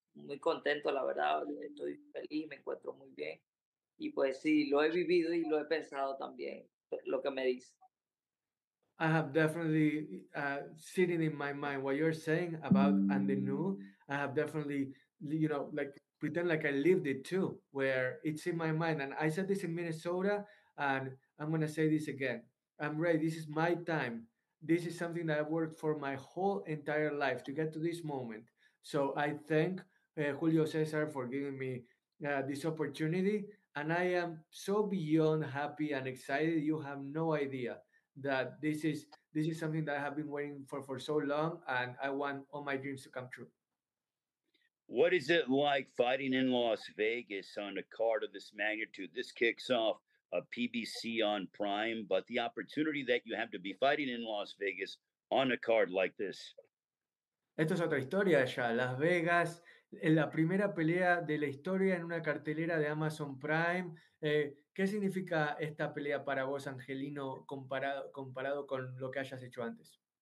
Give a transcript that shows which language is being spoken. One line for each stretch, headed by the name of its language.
Spanish: Muy contento, la verdad, estoy feliz, me encuentro muy bien. Y pues sí, lo he vivido y lo he pensado también, lo que me dice.
English: I have definitely sitting in my mind what you're saying about and the new. I have definitely, you know, like pretend like I lived it too, where it's in my mind. And I said this in Minnesota, and I'm going to say this again. I'm ready, this is my time. This is something that I've worked for my whole entire life to get to this moment. So I thank Julio Cesar for giving me this opportunity. And I am so beyond happy and excited. You have no idea that this is something that I have been waiting for so long. And I want all my dreams to come true. What is it like fighting in Las Vegas on a card of this magnitude? This kicks off a PBC on Prime, but the opportunity that you have to be fighting in Las Vegas on a card like this.
Spanish: Esto es otra historia ya. Las Vegas, en la primera pelea de la historia en una cartelera de Amazon Prime. ¿Qué significa esta pelea para vos, Angelino, comparado con lo que hayas hecho antes?